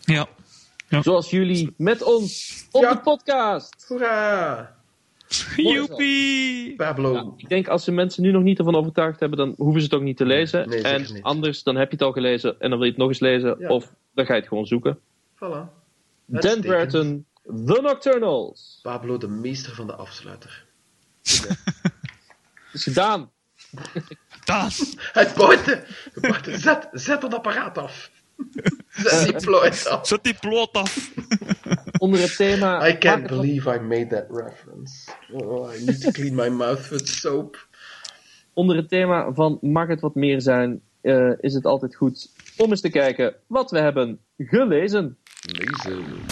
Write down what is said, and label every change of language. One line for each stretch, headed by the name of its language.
Dutch: Ja. Ja. Zoals jullie met ons op de podcast. Hoera! Joepie! Pablo. Ja, ik denk als de mensen nu nog niet ervan overtuigd hebben, dan hoeven ze het ook niet te lezen. Nee, en niet. Anders, dan heb je het al gelezen en dan wil je het nog eens lezen. Ja. Of dan ga je het gewoon zoeken. Voilà. Dan Bratton, The Nocturnals. Pablo, de meester van de afsluiter. Het is gedaan. Daan. Het buiten. Zet dat apparaat af. Zet die ploot af. Zet die ploot af. Onder het thema...
English: I can't believe I made that reference. Oh, I need to clean my mouth with soap.
Dutch: Onder het thema van mag het wat meer zijn, is het altijd goed om eens te kijken wat we hebben gelezen. Lezen.